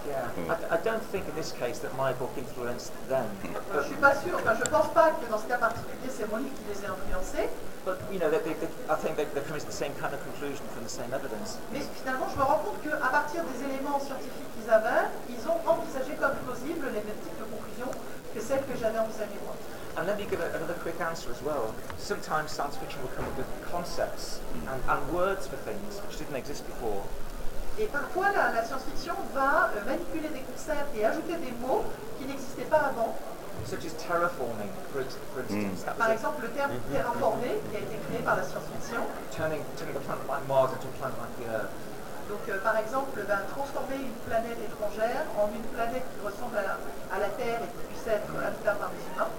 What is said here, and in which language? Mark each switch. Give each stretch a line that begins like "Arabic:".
English: I don't think in this case that my book influenced them.
French: Je suis pas sûr. Enfin, je pense pas que dans ce cas particulier c'est mon livre qui les ait influencés.
English: But you know, I think they come to the same kind of conclusion from the same evidence.
French: Mais finalement, je me rends compte que à partir des éléments scientifiques qu'ils avaient, ils ont envisagé comme plausible les mêmes types de conclusions que celles que j'avais envisagées moi.
English: And let me give another quick answer as well. Sometimes science fiction will come up with concepts and words for things which didn't exist before.
French: Et parfois, la science-fiction va manipuler des concepts et ajouter des mots qui n'existaient pas avant.
English: Such as terraforming, for instance.
French: Par exemple, le terme terraformer qui a été créé par la science-fiction.
English: Turning a planet like Mars into a planet like the Earth.
French: Donc, par exemple, transformer une planète étrangère en une planète qui ressemble à la Terre et qui puisse être habitable par des humains.